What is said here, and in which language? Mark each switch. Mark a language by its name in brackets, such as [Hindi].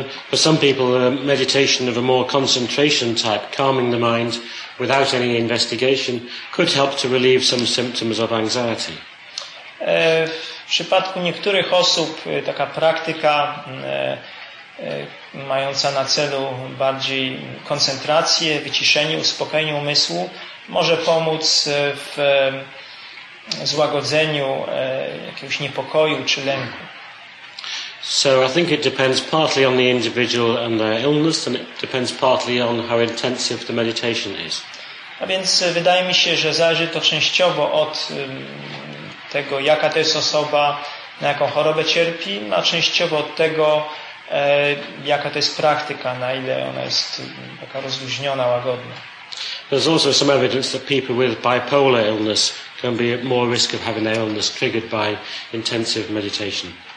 [English] For some people, meditation of a more concentration type, calming the mind without any investigation, could help to relieve some symptoms of anxiety. [Polish] W przypadku niektórych osób taka praktyka mająca na celu bardziej koncentrację, wyciszenie, uspokojenie umysłu może pomóc w złagodzeniu jakiegoś niepokoju czy lęku. [English] So I think it depends partly on the individual and their illness, and it depends partly on how intensive the meditation is. [Polish] A więc wydaje mi się, że zależy to częściowo od tego, jaka to jest osoba, na jaką chorobę cierpi, a częściowo od tego, jaka to jest praktyka, na ile ona jest taka rozluźniona, łagodna. [English] There's also some evidence that people with bipolar illness can be at more risk of having their illness triggered by intensive meditation.